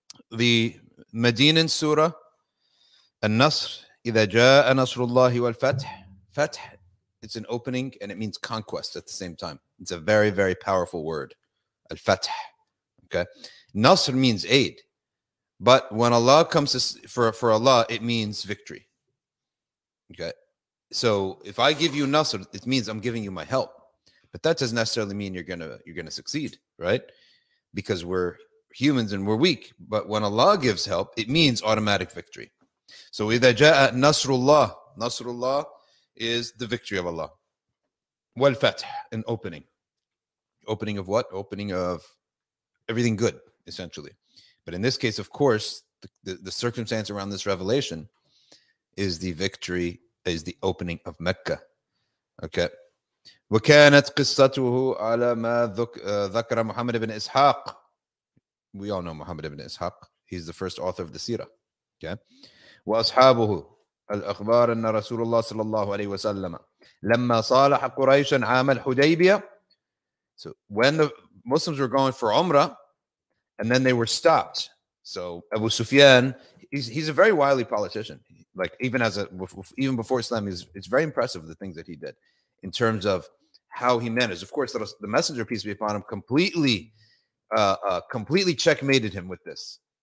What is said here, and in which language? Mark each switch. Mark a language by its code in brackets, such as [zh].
[en] The Medinan Surah, An-Nasr, [ar] إِذَا جَاءَ نَصْرُ اللَّهِ وَالْفَتْحِ. [en] Fath, it's an opening and it means conquest at the same time. It's a very, very powerful word. Al-Fath. Okay. Nasr means aid. But when Allah comes to, for Allah, it means victory. Okay. So if I give you Nasr, it means I'm giving you my help. But that doesn't necessarily mean you're gonna succeed, right? Because we're humans and we're weak. But when Allah gives help, it means automatic victory. [ar] So إِذَا جَاءَ نَصْرُ اللَّهِ. نَصْرُ اللَّهِ [en] is the victory of Allah. [ar] وَالْفَتْحِ, [en] an opening. Opening of what? Opening of everything good, essentially. But in this case, of course, the circumstance around this revelation is the victory, is the opening of Mecca. Okay. [ar] وَكَانَتْ قِصَّتُهُ عَلَى مَا ذَكَرَ مُحَمَّدِ بْنِ إِسْحَاقِ. [en] We all know Muhammad ibn Ishaq. He's the first author of the Sirah. Okay. [ar] وَأَصْحَابُهُ الْأَخْبَارَ أَنَّ رَسُولَ اللَّهِ صَلَى اللَّهُ عَلَيْهِ وَسَلَّمَ لَمَّا صَالَحَ قُرَيْشًا عَامَ الْحُدَيْبِيَةِ. [en] So when the Muslims were going for Umrah, and then they were stopped. So Abu Sufyan, he's a very wily politician. Like even before Islam, it's very impressive the things that he did in terms of how he managed. Of course, the Messenger, peace be upon him, completely checkmated him with this.